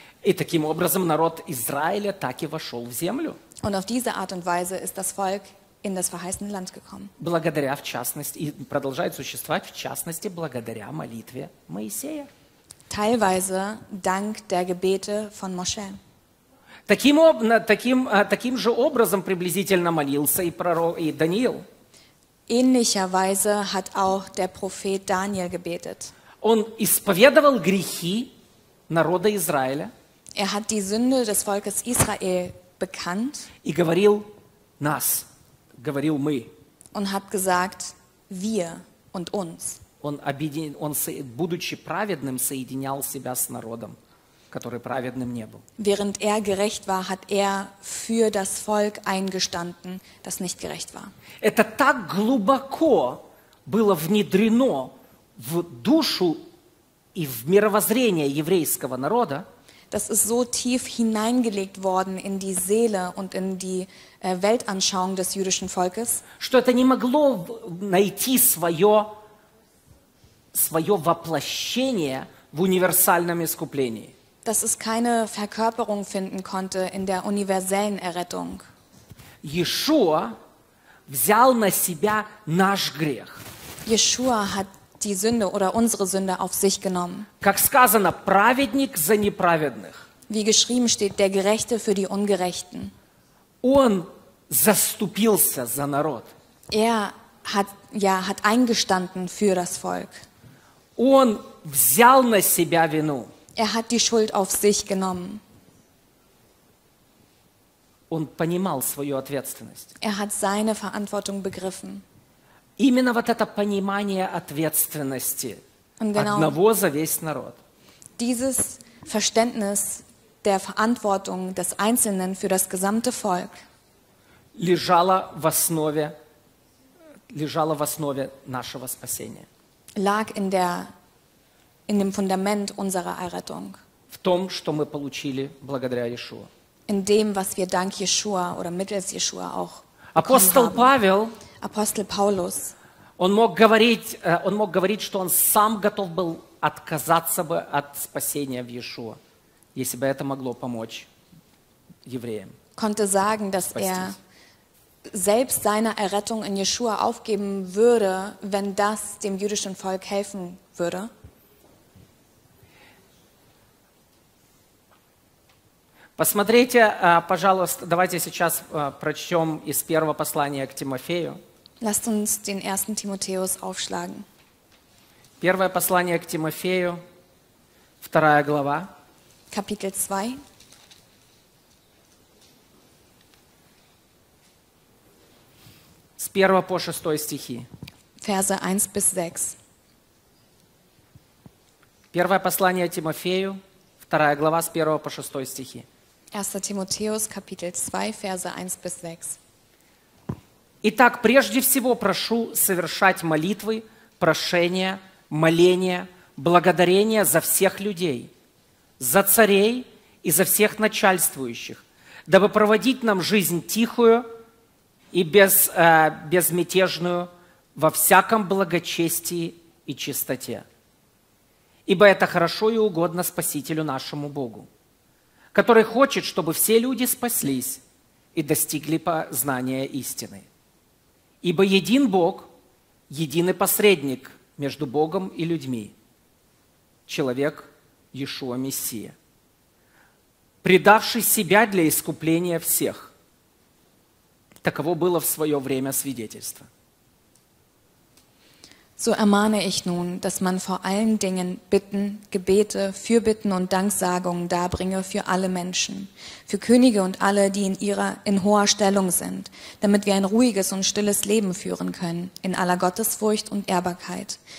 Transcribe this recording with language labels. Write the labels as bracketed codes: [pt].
[ru] И таким образом народ Израиля так и вошел в землю. [de] Und auf diese Art und Weise ist das Volk in das verheißene Land gekommen. [ru] Благодаря, в частности, и продолжает существовать, в частности, благодаря молитве Моисея. [de] Teilweise dank der Gebete von Moshe. [ru] Таким же образом приблизительно молился и пророк, и Даниил. [de] Ähnlicherweise hat auch der Prophet Daniel gebetet. [ru] Он исповедовал грехи народа Израиля. [de] Er hat die Sünde des Volkes Israel bekannt. [ru] И говорил нас. Говорил мы. [de] Und hat gesagt, wir und uns. [ru] Он, будучи праведным, соединял себя с народом, который праведным не был. [de] Während er gerecht war, hat er für das Volk eingestanden, das nicht gerecht war. [ru] Это так глубоко было внедрено в душу и в мировоззрение еврейского народа. [de] Das ist so tief hineingelegt worden in die Seele und in die Weltanschauung des jüdischen Volkes, [ru] что это не могло найти свое воплощение в универсальном искуплении. [de] Dass es keine Verkörperung finden konnte in der universellen Errettung. [ru] Yeshua взял на себя наш грех. [de] Yeshua hat die Sünde oder unsere Sünde auf sich genommen. [ru] Как сказано, праведник за неправедных. [de] Wie geschrieben steht, der Gerechte für die Ungerechten. [ru] Он заступился за народ. [de] Er hat, hat eingestanden für das Volk. [ru] Он взял на себя вину. [de] Er hat die Schuld auf sich genommen. [ru] Он понимал свою ответственность. [de] Er hat seine Verantwortung begriffen. [ru] Именно вот это понимание ответственности одного за весь народ. [de] Dieses Verständnis der Verantwortung des Einzelnen für das gesamte Volk [ru] лежало в основе нашего спасения. [de] Lag in dem Fundament unserer Errettung. [ru] В том, что мы получили благодаря Иешуа. [de] In dem, was wir dank Иешуа oder mittels Иешуа auch [ru] Апостол Павел, [de] Апостол Паулус, [ru] он мог говорить, что он сам готов был отказаться бы от спасения в Иешуа, если бы это могло помочь евреям. [de] Konnte sagen, dass er selbst seine Errettung in Yeshua aufgeben würde, wenn das dem jüdischen Volk helfen würde. [ru] Посмотрите, пожалуйста, давайте сейчас прочтем из первого послания к Тимофею. [de] Lasst uns den ersten Timotheus aufschlagen. [ru] Первое послание к Тимофею, вторая глава. [de] Kapitel 2. [ru] С 1 по 6 стихи. [de] Verse 1 bis 6. [ru] Первое послание Тимофею, вторая глава, с 1 по 6 стихи. [de] 1 Timotheus, Kapitel 2, Verse 1 bis 6. [ru] Итак, прежде всего прошу совершать молитвы, прошения, моления, благодарения за всех людей, за царей и за всех начальствующих, дабы проводить нам жизнь тихую и безмятежную во всяком благочестии и чистоте. Ибо это хорошо и угодно Спасителю нашему Богу, который хочет, чтобы все люди спаслись и достигли познания истины. Ибо един Бог, единый посредник между Богом и людьми, человек Иешуа Мессия, предавший себя для искупления всех. Таково было в свое время свидетельство. [de] So ermahne ich nun, dass man vor allen Dingen Bitten, Gebete, Fürbitten und Danksagungen darbringe für alle Menschen, für Könige und alle, die in hoher Stellung sind, damit wir ein ruhiges und stilles Leben führen können, in aller Gottesfurcht und Ehrbarkeit.